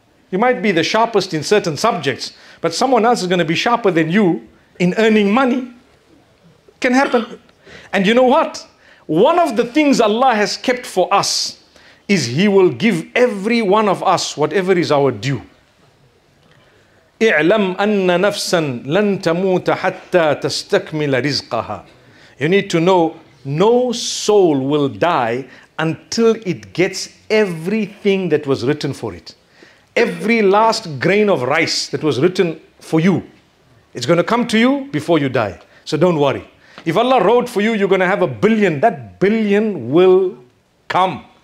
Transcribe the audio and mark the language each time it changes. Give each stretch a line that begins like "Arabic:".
English: You might be the sharpest in certain subjects, but someone else is going to be sharper than you in earning money. Can happen. And you know what? One of the things Allah has kept for us is He will give every one of us whatever is our due.
Arabic: اعلم أن نفسا لن تموت حتى تستكمل رزقها.
English: You need to know, no soul will die until it gets everything that was written for it. Every last grain of rice that was written for you, it's going to come to you before you die. So don't worry. If Allah wrote for you, you're going to have a billion. That billion will come.